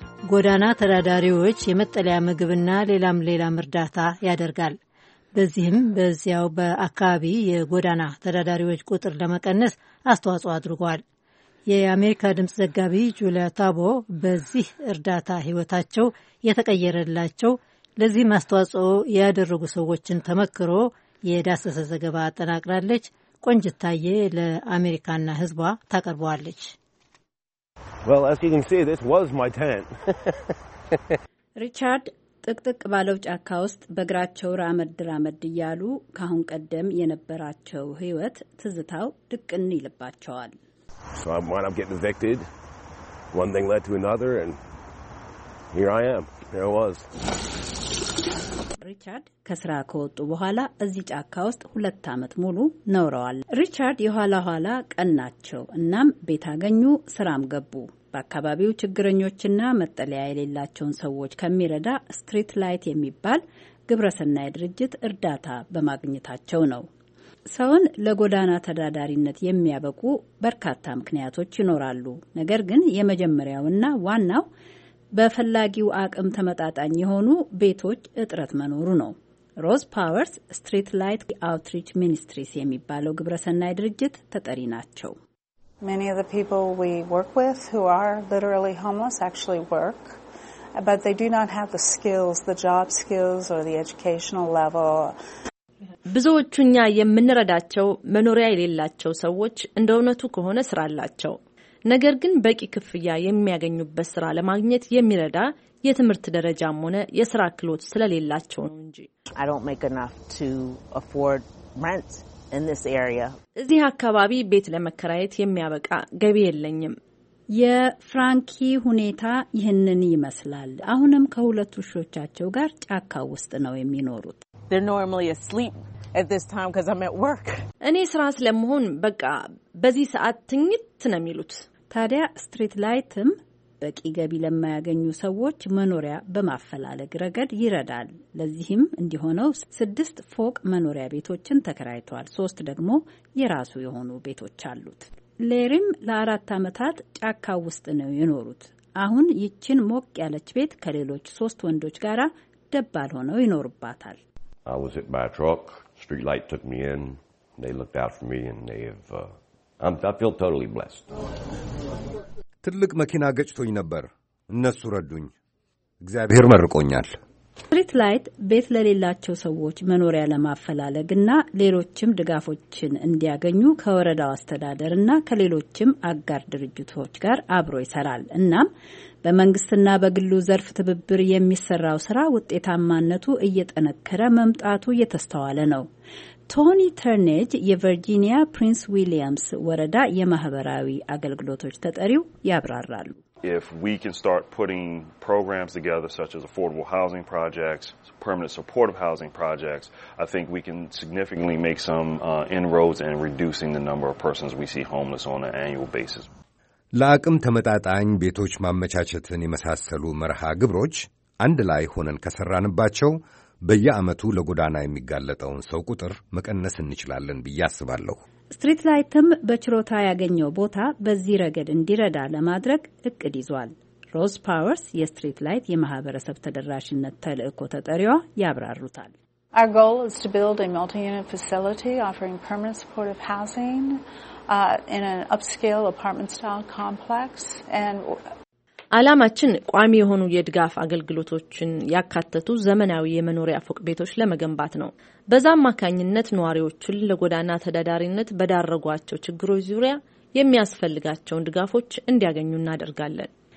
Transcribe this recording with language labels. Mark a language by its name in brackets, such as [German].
[Amharic] ጎዳና ተዳዳሪዎች የመጠለያ ምግብና ሌላም እርዳታ ያደርጋል። በዚህም በዚያው በአካባቢ የጎዳና ተዳዳሪዎች ቁጥር ለመቀነስ አስተዋጽኦ አድርጓል። የአሜሪካ ድምፅ ዘጋቢ ጁሊያ ታቦ በዚህ እርዳታ ሕይወታቸው የተቀየረላቸው ለዚህ ማስተዋጽኦ ያደረጉ ሰዎችን ተመክሮ የዳሰሰ ዘገባ አጠናቅራለች። ቆንጅታዬ ለአሜሪካና ህዝቧ ታቀርባለች። [English] Well, as you can see, this was my tent. [Amharic] Richard ጥቅጥቅ ባለው ጫካ ውስጥ በግራቸው ራመድ ራመድ ይያሉ ካሁን ቀደም የነበራቸው ህይወት ትዝታው ድቅን ይልባቸዋል። [English] So I'm getting evicted. One thing led to another and here I am. There it was. [Amharic] ሪቻርድ ከስራ ከወጡ በኋላ እዚህ ጫካ ውስጥ 2 አመት ሙሉ ኖረዋል። ሪቻርድ የኋላ ቀናቸው እናም ቤት አገኙ ስራም ገቡ። በአካባቢው ችግረኞችና መጠለያ የሌላቸውን ሰዎች ከመረዳ ስትሪት ላይት የሚባል ግብረሰናይ ድርጅት እርዳታ በማግኘታቸው ነው። ሰውን ለጎዳና ተዳዳሪነት የሚያበቁ በርካታ ምክንያቶች ይኖራሉ። ነገር ግን የመጀመሪያውና ዋናው በፈላጊው አቅም ተመጣጣኝ የሆኑ ቤቶች እጥረት መኖሩ ነው። ሮዝ ፓወርስ ስትሪት ላይት አውትሪች ሚኒስትሪስ የሚባለው ግብረሰናይ ድርጅት ተጠሪ ናቸው። [English] Many of the people we work with who are literally homeless actually work, but they do not have the skills, the job skills or the educational level. [Amharic] ብዙዎቹኛ የምንረዳቸው መኖሪያ የሌላቸው ሰዎች እንደውነቱ ከሆነ ስራ አላቸው። ነገር ግን በቂ ክፍያ የሚያገኙበት ስራ ለማግኘት የሚረዳ የትምህርት ደረጃም ሆነ የስራ ክህሎት ስለሌላቸው ነው እንጂ [English] I don't make enough to afford rent in this area. [Amharic] እዚህ አካባቢ ቤት ለመከራየት የሚያበቃ ገቢ የለኝም። የፍራንኪ ሁኔታ ይህንን ይመስላል። አሁንም ከሁለቱ ሾቻቸው ጋር ጫካ ውስጥ ነው የሚኖሩት። [English] They're normally asleep at this time because I'm at work. [Amharic] እኔ ስራ ስለመሆን በቃ በዚህ ሰዓት ትኝት ነው የሚሉት። ታዲያ ስትሪት ላይትም በቂ ገቢ ለማያገኙ ሰዎች መኖሪያ በማፈላለግ ረገድ ይረዳል። ለዚህም እንዲሆነው 6 ፎቅ መኖሪያ ቤቶችን ተከራይቷል። 3 ደግሞ የራሱ የሆኑ ቤቶች አሉት። ሌሪም ለ4 አመታት ጫካ ውስጥ ነው የኖሩት። አሁን ይቺን ሞቅ ያለች ቤት ከሌሎች 3 ወንዶች ጋራ ደባል ሆነው ይኖርባታል። [English] I was hit by a truck. Street light took me in. They looked out for me and they've I feel totally blessed. [Amharic] ትልቅ መኪና ገጭቶኝ ነበር። እነሱ ረዱኝ። እግዚአብሔር መርቆኛል። ስትሪት ላይት ቤት ለሌላቸው ሰዎች መኖሪያ ለማፈላለግና ሌሎችም ድጋፎችን እንዲያገኙ ከወረዳው አስተዳደርና ከሌሎችም አጋር ድርጅቶች ጋር አብሮ ይሰራል። እናም በመንግስትና በግሉ ዘርፍ ትብብር የሚሰራው ስራ ውጤታማነቱ እየጠነከረ መምጣቱ እየተስተዋለ ነው። ቶኒ ተርኔጅ የቨርጂኒያ ፕሪንስ ዊሊያምስ ወረዳ የማህበራዊ አገልግሎቶች ተጠሪው ያብራራሉ። [English] If we can start putting programs together such as affordable housing projects, permanent supportive housing projects, I think we can significantly make some inroads in reducing the number of persons we see homeless on an annual basis. [Amharic] ለአቅም ተመጣጣኝ ቤቶች ማመቻቸትን የመሳሰሉ መርሃ ግብሮች አንድ ላይ ሆነን ከሰራንባቸው በየአመቱ ለጎዳና የሚጋለጠውን ሰው ቁጥር መቀነስ እንችላለን ብያስባለሁ። ስትሪት ላይትም በችሮታ ያገኘው ቦታ በዚህ ረገድ እንዲረዳ ለማድረግ እቅድ ይዟል። ሮዝ ፓወርስ የስትሪት ላይት የማህበረሰብ ተደራሽነት ተልእኮ ተጠሪዋ ያብራሩታል። [English] Our goal is to build a multi-unit facility offering permanent supportive housing in an upscale apartment-style complex and [Amharic] አላማችን ቋሚ የሆኑ የድጋፍ አገልግሎቶችን ያካተቱ ዘመናዊ የመኖሪያ ፎቅ ቤቶች ለመገንባት ነው። በዛም አካኝነት ነዋሪዎችን ለጎዳና ተዳዳሪነት በዳረጓቸው ችግሮች ዙሪያ የሚያስፈልጋቸውን ድጋፎች እንዲያገኙ እናደርጋለን።